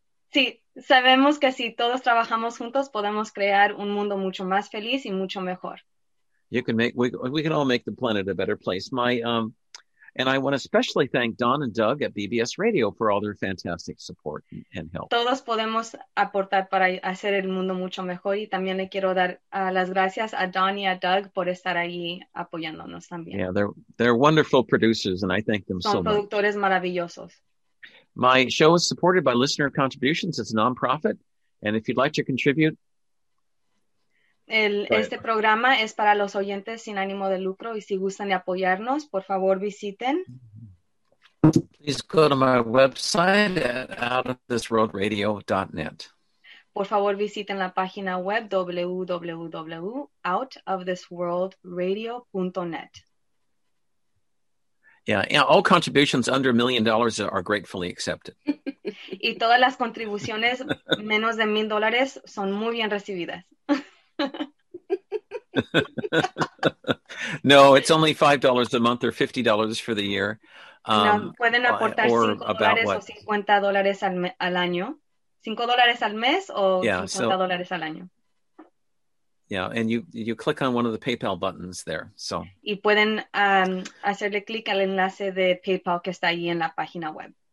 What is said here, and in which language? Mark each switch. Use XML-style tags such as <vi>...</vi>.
<es>Sí, sabemos que si todos trabajamos juntos, podemos crear un mundo mucho más feliz y mucho mejor.</es> <en>You can make we can all make the planet a better place. And I want to especially thank Don and Doug at BBS Radio for all their fantastic support and help.</en> <es>Todos podemos aportar para hacer el mundo mucho mejor. Y también le quiero dar las gracias a Don y a Doug por estar ahí apoyándonos también.</es> <en>Yeah, they're wonderful producers, and I thank them so much.</en> <es>Son productores maravillosos.</es> <en>My show is supported by listener contributions. It's a nonprofit. And if you'd like to contribute,</en> <es>este programa es para los oyentes sin ánimo de lucro y si gustan de apoyarnos, por favor visiten.</es> <en>Please go to my website at outofthisworldradio.net.</en> <es>Por favor visiten la página web www.outofthisworldradio.net.</es> <en>Yeah, all contributions under $1 million are gratefully accepted.</en> <es>Y todas las contribuciones menos de $1,000 son muy bien recibidas.</es> <en>No, it's only $5 a month or $50 for the year.</en> <es>Pueden aportar $5 o $50 al año. $5 al mes o $50 al año.</es> <en>Yeah, and you click on one of the PayPal buttons there. So.</en> <es>Y pueden hacerle clic al enlace de PayPal que está ahí en la página web.</es>